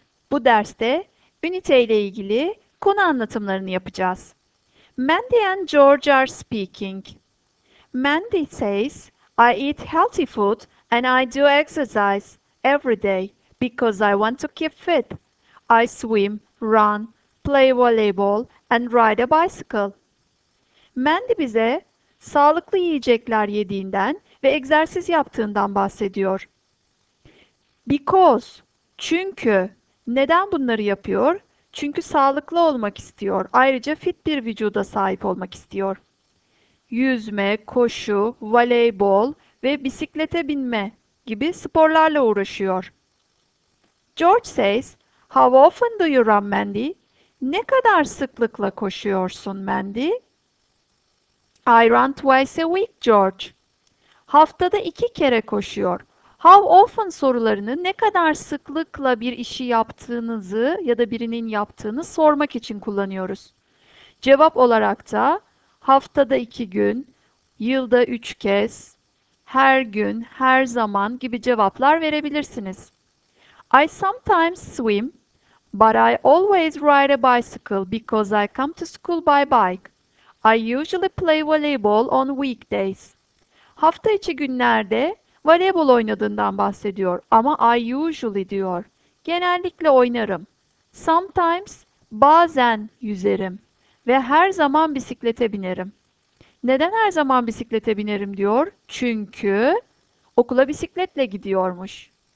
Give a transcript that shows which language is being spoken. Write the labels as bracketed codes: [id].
[tr] Bu derste ünite ile ilgili konu anlatımlarını yapacağız. [en] Men diyen George are speaking. Men de says, I eat healthy food and I do exercise every day because I want to keep fit. I swim, run, play volleyball and ride a bicycle. [tr] Mandy bize sağlıklı yiyecekler yediğinden ve egzersiz yaptığından bahsediyor. Because, çünkü neden bunları yapıyor? Çünkü sağlıklı olmak istiyor. Ayrıca fit bir vücuda sahip olmak istiyor. Yüzme, koşu, voleybol ve bisiklete binme gibi sporlarla uğraşıyor. [en] George says, How often do you run, Mandy? [tr] Ne kadar sıklıkla koşuyorsun, Mandy? [en] I run twice a week, George. [tr] Haftada iki kere koşuyor. [en] How often [tr] sorularını ne kadar sıklıkla bir işi yaptığınızı ya da birinin yaptığını sormak için kullanıyoruz. Cevap olarak da haftada iki gün, yılda üç kez, her gün, her zaman gibi cevaplar verebilirsiniz. [en] I sometimes swim, but I always ride a bicycle because I come to school by bike. I usually play volleyball on weekdays. [tr] Hafta içi günlerde voleybol oynadığından bahsediyor ama [en] I usually [tr] diyor. Genellikle oynarım. Sometimes bazen yüzerim ve her zaman bisiklete binerim. Neden her zaman bisiklete binerim diyor? Çünkü okula bisikletle gidiyormuş.